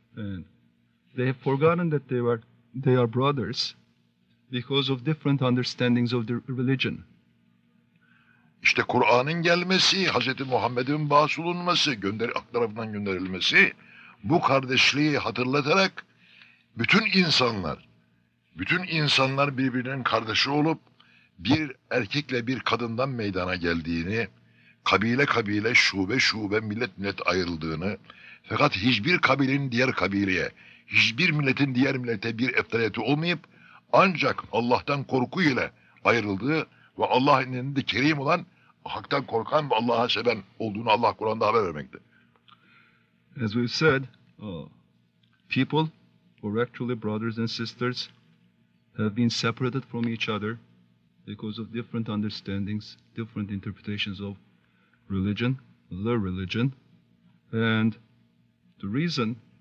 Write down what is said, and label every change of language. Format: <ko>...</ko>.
<en>And they have forgotten that they are brothers because of different understandings of the religion.</en> <tr>İşte Kur'an'ın gelmesi, Hazreti Muhammed'in bağışlanması, aklarından gönderilmesi bu kardeşliği hatırlatarak bütün insanlar birbirinin kardeşi olup bir erkekle bir kadından meydana geldiğini, kabile kabile, şube şube, millet millet ayrıldığını, fakat hiçbir kabilenin diğer kabileye, hiçbir milletin diğer millete bir eftaleti olmayıp ancak Allah'tan korku ile ayrıldığı ve Allah indinde kerim olan, haktan korkan ve Allah'a seven olduğunu Allah Kur'an'da haber vermekte.</tr> <en>As we said, people who are actually brothers and sisters have been separated from each other because of different understandings, different interpretations of religion, the religion, and the reason</en>